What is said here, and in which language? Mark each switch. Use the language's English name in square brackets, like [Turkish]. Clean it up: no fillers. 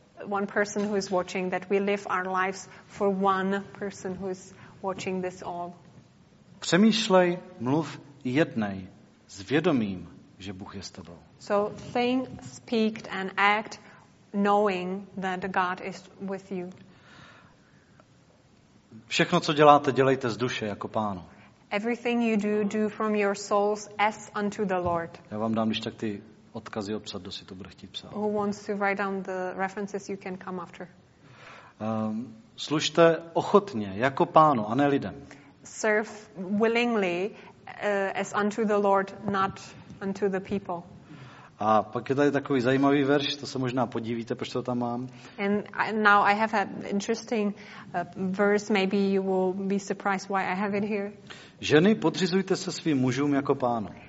[English] One person who is watching, that we live our lives for one person who is watching this all. [Czech] Přemýšlej, mluv, jednej s vědomím, že Bůh je s tebou. [English] So think, speak and act knowing that God is with you. [Czech] Všechno, co děláte, dělejte z duše jako Pánu. [English] Everything you do, do from your souls as unto the Lord. [Czech] Já vám dám ještě tak ty odkazy obsat, kdo si to bude chtít psát. [English] Who wants to write down the references, you can come after. [Czech] Služte ochotně jako Pánu, a ne lidem. [English] Serve willingly as unto the Lord, not unto the people. [Czech] A pak je tady takový zajímavý verš, to se možná podívíte, proč to tam mám. [English] And now I have an interesting verse, maybe you will be surprised why I have it here. [Czech] Ženy, podřizujte se svým mužům jako Pánu.